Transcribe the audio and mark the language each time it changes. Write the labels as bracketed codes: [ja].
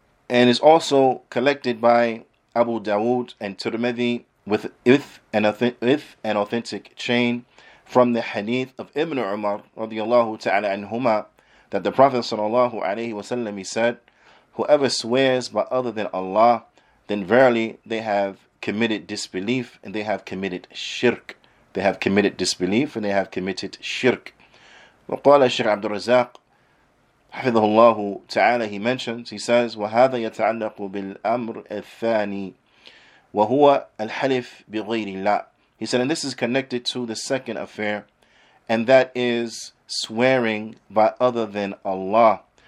[en] and is also collected by Abu Dawood and Tirmidhi with an authentic chain from the hadith of Ibn Umar radiyallahu ta'ala anhuma, that the Prophet sallallahu alayhi wa sallam, he said, whoever swears by other than Allah, then verily they have committed disbelief and they have committed shirk. They have committed disbelief and they have committed shirk. [ar] وقال الشيخ عبد الرزاق حفظه الله تعالى, [en] he mentions, he says, [ar] وهذا يتعلق بالأمر الثاني وهو الحلف بغير الله. [en] He said, and this is connected to the second affair, and that is swearing by other than Allah.